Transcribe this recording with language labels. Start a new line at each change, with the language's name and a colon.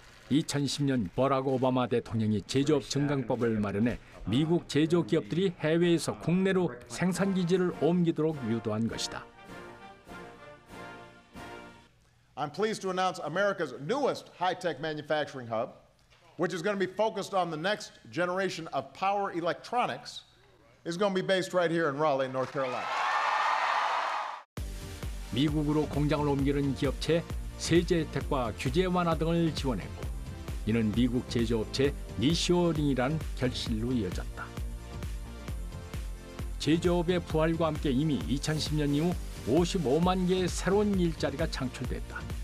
Korean: 2010년 버락 오바마 대통령이 제조업 증강법을 마련해 미국 제조 기업들이 해외에서 국내로 생산 기지를 옮기도록 유도한 것이다.
English: I'm pleased to announce America's newest high-tech manufacturing hub, which is going to be focused on the next generation of power electronics, is going to be based right here in Raleigh, North Carolina.
Korean: 미국으로 공장을 옮기는 기업체 세제 혜택과 규제 완화 등을 지원했고, 이는 미국 제조업체 니쇼어링이란 결실로 이어졌다. 제조업의 부활과 함께 이미 2010년 이후 55만 개의 새로운 일자리가 창출됐다.